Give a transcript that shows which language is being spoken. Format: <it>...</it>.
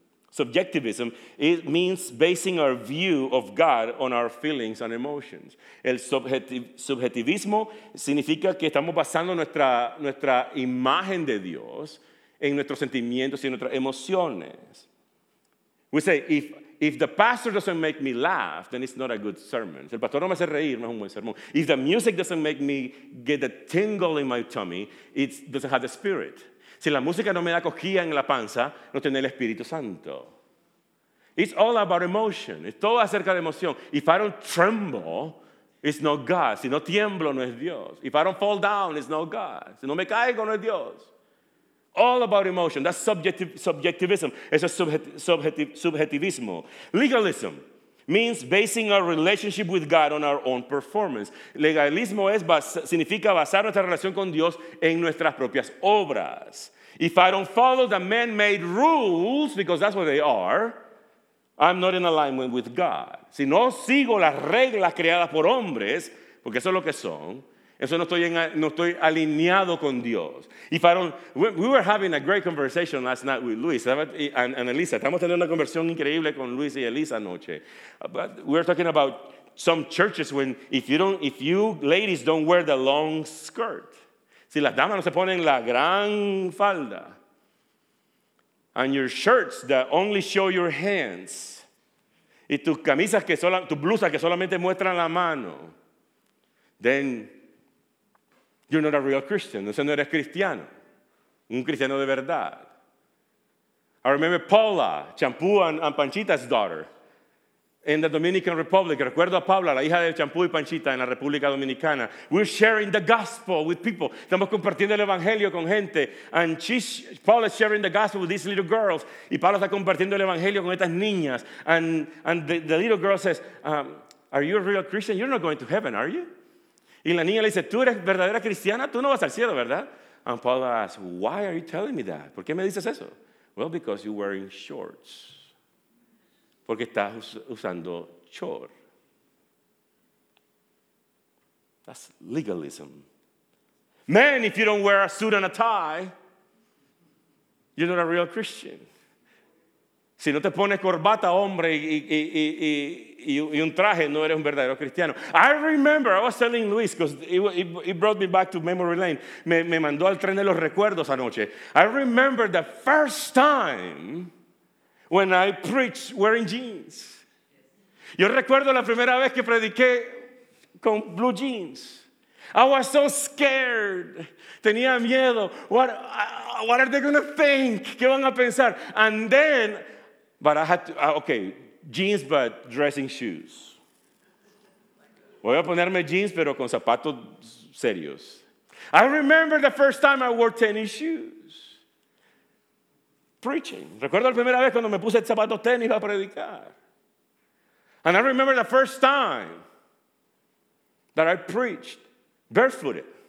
<en>Subjectivism, it means basing our view of God on our feelings and emotions.</en> <es>El subjetivismo significa que estamos basando nuestra imagen de Dios en nuestros sentimientos y nuestras emociones.</es> <en>We say, if the pastor doesn't make me laugh, then it's not a good sermon.</en> <es>Si el pastor no me hace reír, no es un buen sermón.</es> <en>If the music doesn't make me get a tingle in my tummy, it doesn't have the spirit.</en> <es>Si la música no me da cosquilla en la panza, no tiene el Espíritu Santo.</es> <en>It's all about emotion.</en> <es>Es todo acerca de emoción.</es> <en>If I don't tremble, it's not God.</en> <es>Si no tiemblo, no es Dios.</es> <en>If I don't fall down, it's not God.</en> <es>Si no me caigo, no es Dios.</es> <en>All about emotion. That's subjectivism.</en> <es>Eso es subjetivismo.</es> <en>Legalism means basing our relationship with God on our own performance.</en> <es>Legalismo significa basar nuestra relación con Dios en nuestras propias obras.</es> <en>If I don't follow the man-made rules, because that's what they are, I'm not in alignment with God.</en> <es>Si no sigo las reglas creadas por hombres, porque eso es lo que son, eso no estoy alineado con Dios.</es> <en>If I don't, we were having a great conversation last night with Luis and Elisa.</en> <es>Estamos teniendo una conversación increíble con Luis y Elisa anoche.</es> <en>But we were talking about some churches when if you ladies don't wear the long skirt,</en> <es>si las damas no se ponen la gran falda,</es> <en>and your shirts that only show your hands,</en> <es>y tus blusas que solamente muestran la mano,</es> <en>then you're not a real Christian.</en> <es>No sé, no eres cristiano. Un cristiano de verdad.</es> <en>I remember Paula, Champú and Panchita's daughter, in the Dominican Republic.</en> <es>Recuerdo a Paula, la hija de Champú y Panchita, en la República Dominicana.</es> <en>We're sharing the gospel with people.</en> <es>Estamos compartiendo el evangelio con gente.</es> <en>And Paula is sharing the gospel with these little girls.</en> <es>Y Paula está compartiendo el evangelio con estas niñas.</es> <en>And the little girl says, are you a real Christian? You're not going to heaven, are you?</en> <es>Y la niña le dice, ¿tú eres verdadera cristiana? Tú no vas al cielo, ¿verdad?</es> <en>And Paul asks, why are you telling me that?</en> <es>¿Por qué me dices eso?</es> <en>Well, because you're wearing shorts.</en> <es>Porque estás usando chor.</es> <en>That's legalism. Man, if you don't wear a suit and a tie, you're not a real Christian.</en> <es>Si no te pones corbata, hombre, y un traje, no eres un verdadero cristiano.</es> <en>I remember, I was telling Luis, because he brought me back to memory lane.</en> <es>Me mandó al tren de los recuerdos anoche.</es> <en>I remember the first time when I preached wearing jeans.</en> <es>Yo recuerdo la primera vez que prediqué con blue jeans.</es> <en>I was so scared.</en> <es>Tenía miedo.</es> <en>What are they going to think?</en> <es>¿Qué van a pensar?</es> <en>And then, but I had to, okay, jeans but dressing shoes.</en> <es>Voy a ponerme jeans pero con zapatos serios.</es> <en>I remember the first time I wore tennis shoes. Preaching.</en> <es>Recuerdo la primera vez cuando me puse zapatos tenis para predicar.</es> <en>And I remember the first time that I preached barefooted.</en>